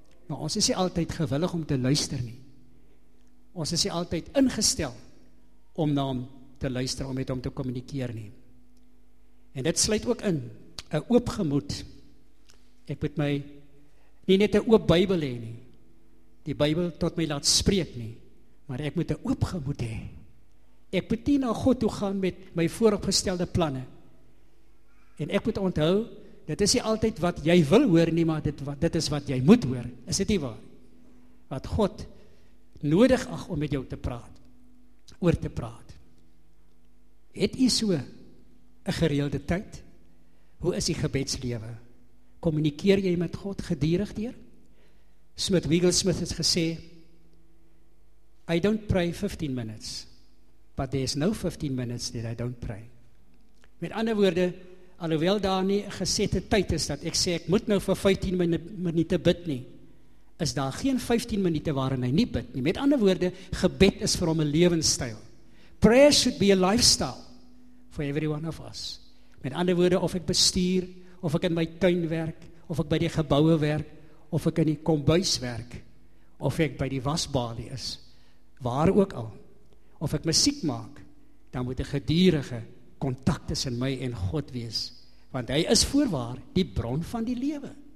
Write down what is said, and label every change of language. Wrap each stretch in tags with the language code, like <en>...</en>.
<af>Maar ons is nie altyd gewillig om te luister nie. Ons is nie altyd ingestel om na hom te luister, om met hom te kommunikeer nie. En dit sluit ook in, 'n oop gemoed. Ek moet my nie net 'n oop Bybel hê nie, die Bybel tot my laat spreek nie, maar ek moet 'n oop gemoed hê. Ek moet nie na God toe gaan met my vooropgestelde planne. En ek moet onthou, dit is nie altyd wat jy wil hoor nie, maar dit is wat jy moet hoor. Is dit nie waar? Wat God nodig ag om met jou te praat, oor te praat. Het jy so 'n gereelde tyd? Hoe is die gebedslewe? Kommunikeer jy met God gedurig deur?</af> <en>Smith Wigglesmith</en> <af>het gesê,</af> <en>I don't pray 15 minutes, but there is no 15 minutes that I don't pray.</en> <af>Met ander woorde, alhoewel daar nie gesette tyd is dat ek sê ek moet nou vir 15 minute bid nie, is daar geen 15 minute waarin hy nie bid nie. Met ander woorde, gebed is vir hom 'n lewenstyl.</af> <en>Prayer should be a lifestyle for every one of us.</en> <af>Met ander woorde, of ek bestuur, of ek in my tuin werk, of ek by die geboue werk, of ek in die kombuis werk, of ek by die wasbalie is, waar ook al, of ek musiek maak, dan moet 'n gedurende kontak tussen my en God wees, want hy is voorwaar die bron van die lewe.</af>